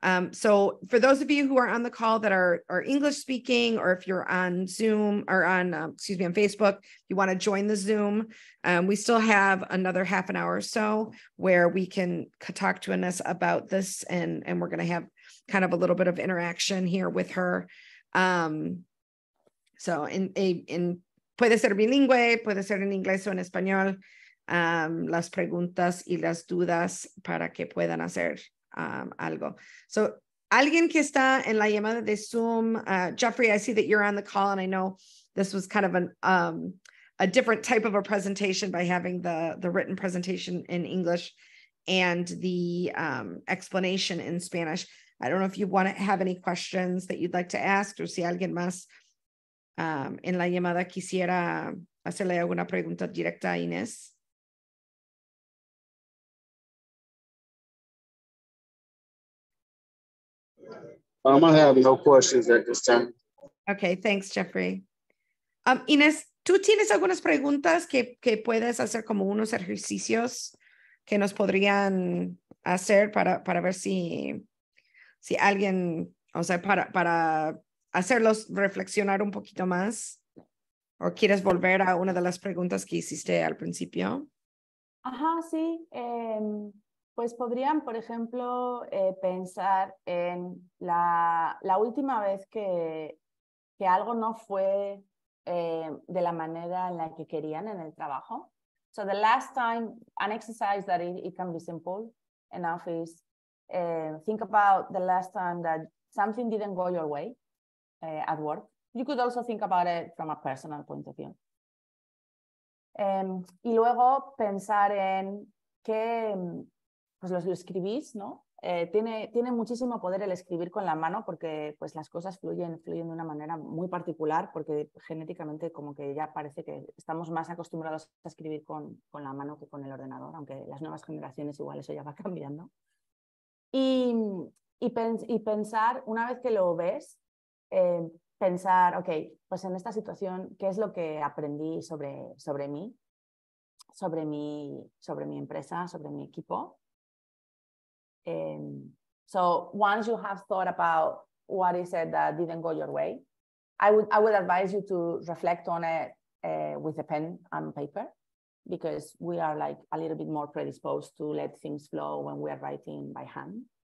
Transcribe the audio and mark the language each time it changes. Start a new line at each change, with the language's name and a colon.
English: So for those of you who are on the call that are English speaking, or if you're on Zoom or on Facebook, you want to join the Zoom, we still have another half an hour or so where we can talk to Ines about this, and we're going to have kind of a little bit of interaction here with her.
Spanish: So in puede ser bilingüe, puede ser en inglés o en español, las preguntas y las dudas para que puedan hacer algo.
English: So,
Spanish: alguien que está en la llamada de Zoom,
English: Jeffrey, I see that you're on the call, and I know this was kind of a different type of a presentation by having the written presentation in English and the explanation in Spanish. I don't know if you want to have any questions that you'd like to ask, or
Spanish: si alguien más en la llamada quisiera hacerle alguna pregunta directa a Inés.
English: I'm going to have no questions at this time. Okay, thanks, Jeffrey.
Spanish: Inés, ¿tú tienes algunas preguntas que puedes hacer como unos ejercicios que nos podrían hacer para ver si alguien, o sea, para hacerlos reflexionar un poquito más? ¿O quieres volver a una de las preguntas que hiciste al principio? Ajá, sí. Pues podrían, por ejemplo, pensar en la última vez que algo no fue de la manera en la que querían en el trabajo.
English: So the last time, an exercise that it can be simple enough is think about the last time that something didn't go your way at work. You could also think about it from a personal point of view.
Spanish: Y luego pensar en qué, pues lo escribís, ¿no? Tiene muchísimo poder el escribir con la mano, porque pues las cosas fluyen de una manera muy particular, porque genéticamente como que ya parece que estamos más acostumbrados a escribir con la mano que con el ordenador, aunque las nuevas generaciones igual eso ya va cambiando. Y pensar, una vez que lo ves, pensar, ok, pues en esta situación, ¿qué es lo que aprendí sobre mí? Sobre mi empresa, sobre mi equipo.
English: So once you have thought about what is it that didn't go your way, I would advise you to reflect on it with a pen and paper, because we are like a little bit more predisposed to let things flow when we are writing by hand.